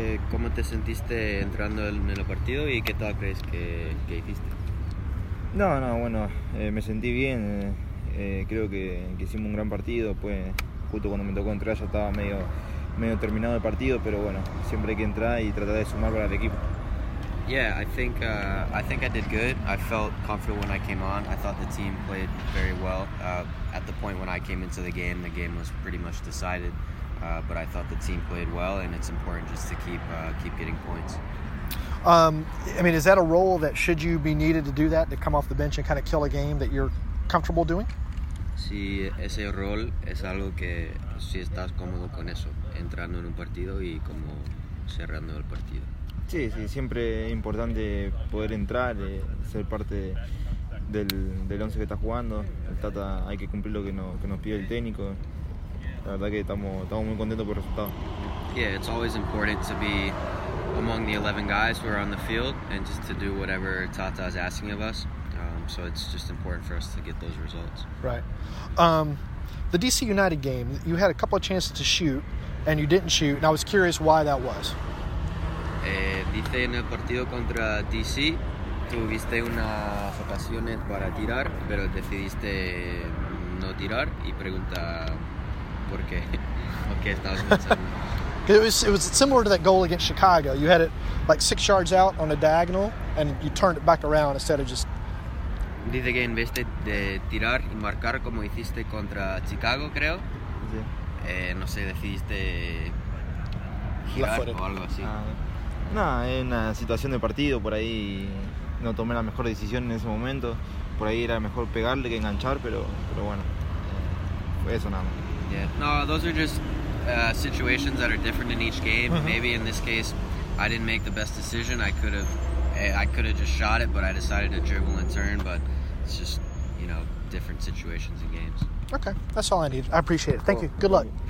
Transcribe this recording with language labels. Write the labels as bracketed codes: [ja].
[es] ¿Cómo te sentiste entrando en el partido y qué tal crees que hiciste? No, me sentí bien. Creo que hicimos un gran partido. Pues justo cuando me tocó entrar ya estaba medio terminado el partido, pero bueno, siempre hay que entrar y tratar de sumar para el equipo. [en] Yeah, I think I did good. I felt comfortable when I came on. I thought the team played very well. At the point when I came into the game was pretty much decided. But I thought the team played well, and it's important just to keep getting points. Is that a role that should you be needed to do that, to come off the bench and kind of kill a game that you're comfortable doing? [es] Sí, ese rol es algo que si estás cómodo con eso, entrando en un partido y como cerrando el partido. Sí, siempre es importante poder entrar, ser parte del once que está jugando. Hay que cumplir lo que nos pide el técnico. La verdad que estamos muy contentos por el resultado. [en] Yeah, it's always important to be among the 11 guys who are on the field and just to do whatever Tata is asking of us. So it's just important for us to get those results. Right. The DC United game, you had a couple of chances to shoot and you didn't shoot, and I was curious why that was. [es] Dice en el partido contra DC, tuviste unas ocasiones para tirar, pero decidiste no tirar, y pregunta por qué, o qué estabas pensando. [en] It was similar to that goal against Chicago. You had it like 6 yards out on a diagonal, and you turned it back around instead of just... [es] Dice que en vez de tirar y marcar como hiciste contra Chicago, creo, decidiste girar o algo así. Es una situación de partido, por ahí no tomé la mejor decisión en ese momento. Por ahí era mejor pegarle que enganchar, pero bueno, fue eso nada más. [en] Yeah. No, those are just situations that are different in each game. Uh-huh. Maybe in this case, I didn't make the best decision. I could have just shot it, but I decided to dribble and turn. But it's just, different situations in games. Okay, that's all I need. I appreciate it. Thank cool. you. Good luck.